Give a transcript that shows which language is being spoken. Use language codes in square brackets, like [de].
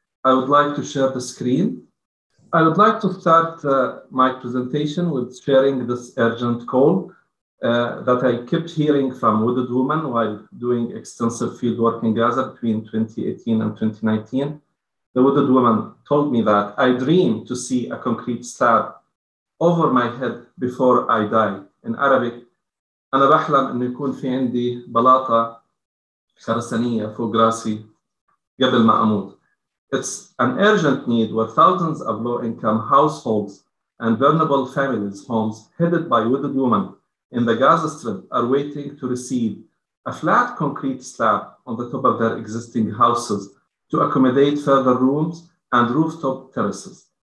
[en] I would like to share the screen. I would like to start my presentation with sharing this urgent call that I kept hearing from wounded women while doing extensive field work in Gaza between 2018 and 2019. The wounded woman told me that I dream to see a concrete slab over my head before I die. In Arabic, [ar] أنا بحلم أن يكون في عندي بلاطة خرسانية فوق راسي قبل ما أموت. [en] It's an urgent need where thousands of low-income households and vulnerable families' homes headed by wounded women in the Gaza Strip are waiting to receive a flat concrete slab on the top of their existing houses to accommodate further rooms and rooftop terraces.